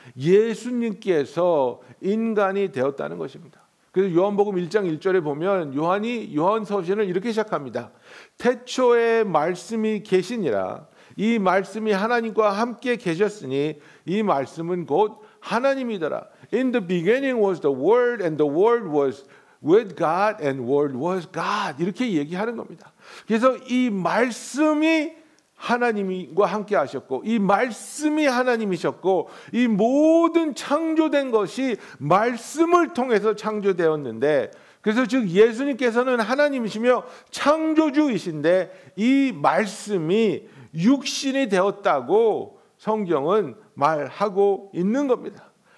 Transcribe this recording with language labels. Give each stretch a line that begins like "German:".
Korean: 예수님께서 인간이 되었다는 것입니다. 그래서 요한복음 1장 1절에 보면 요한이 요한서신을 이렇게 시작합니다. 태초에 말씀이 계시니라. 이 말씀이 하나님과 함께 계셨으니 이 말씀은 곧 하나님이더라.
English: In the beginning was the word and the word was with God and word was God.
Korean: 이렇게 얘기하는 겁니다. 그래서 이 말씀이 하나님과 함께 하셨고 이 말씀이 하나님이셨고 이 모든 창조된 것이 말씀을 통해서 창조되었는데 그래서 즉 예수님께서는 하나님이시며 창조주이신데 이 말씀이 육신이 되었다고 성경은 말하고 있는 겁니다.